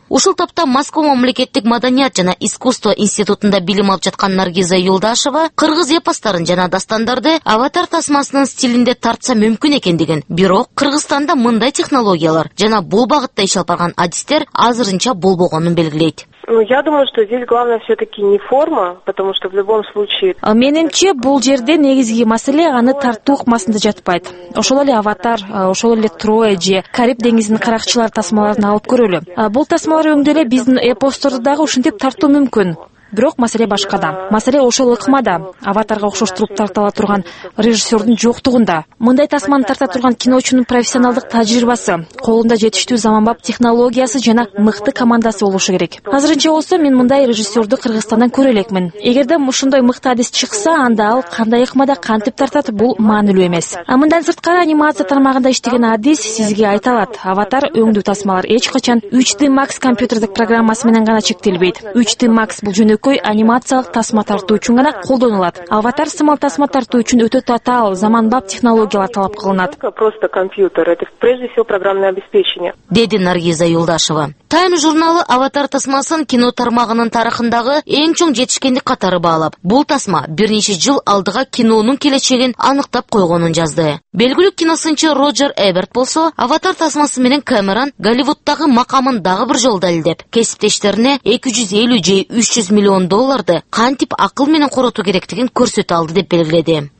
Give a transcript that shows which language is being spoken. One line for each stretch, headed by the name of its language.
Kyrgyz: Ушул тапта Москва мамлекеттик маданият жана искусство институтунда билим алып жаткан Наргиза Юлдашева кыргыз эпостарын жана дастандарды аватар тасмасынын стилинде тартса мүмкүн экендигин, бирок Кыргызстанда мындай технологиялар жана бул багытта иш алып барган адистер азырынча болбогонун белгилейт.
Russian: Ну, я думаю, что здесь главное все-таки не форма, потому что в любом случае...
Kyrgyz: Менимче, бул жерде негизги маселе аны тартуу ыкмасында жатпайт. Ошол эле аватар, ошол эле Троя же Кариб деңизинин каракчылары тасмаларын алып көрөлү. Бул тасмалар өңдөлө биздин эпосторду дагы ушинтип тартуу мүмкүн. Бирок маселе башкада. Маселе ошол ыкмада, аватарга окшоштуруп тартыла турган режиссердун жоктугунда. Мындай тасманы тарта турган киночунун профессионалдык тажрыйбасы, колунда жетиштүү заманбап технологиясы жана мыкты командасы болушу керек. Азырынча болсо мен мындай режиссерду Кыргызстандан көрө элекмин. Эгерде ушундай мыкты адис чыкса, анда ал кандай ыкмада кантип тартат, бул маанилүү эмес. А мындан сырткары анимация тармагында иштеген адис сизге айта алат. Аватар өңдүү тасмалар эч качан 3D Max компьютердик программасы менен гана чектелбейт. 3D Max бул жөнөкөй анимациялык тасма тартуу үчүн гана колдонулат. Аватар сымал тасма тартуу үчүн өтө татаал заманбап технологиялар талап кылынат.
Russian: Просто компьютер, это прежде всего программное обеспечение.
Kyrgyz: Деди Наргиза Юлдашева. Time журналы Аватар тасмасын кино тармагынын тарыхындагы эң чоң жетишкендик катары баалап, бул тасма бир нече жыл алдыга кинонун келечегин аныктап койгонун жазды. Белгилүү киносынчы Роджер Эберт болсо, Аватар тасмасы менен Камерон Голливуддагы макамын дагы бир жолу далилдеп, кесиптештерине 250 же 300 миллион долларды кантип акыл менен коротуу керектигин көрсөтө алды деп белгиледи.